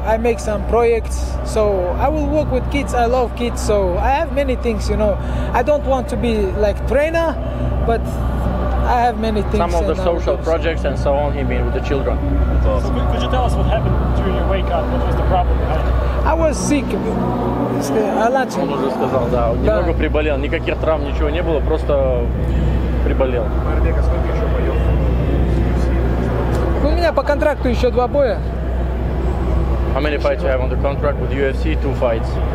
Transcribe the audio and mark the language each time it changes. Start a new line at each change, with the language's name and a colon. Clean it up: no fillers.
English: I make some projects, so I will work with kids. I love kids, so I have many things, you know. I don't want to be like trainer, but I have many things. Some of the social projects and so on, he mean with the children. So could you tell us what happened during your wake up? What was the problem behind it? I was sick.
Russian: Он уже сказал, да, немного приболел, никаких травм, ничего не было, просто приболел. У меня по контракту еще два боя.
English: How many fights you have on the contract with UFC? Two fights.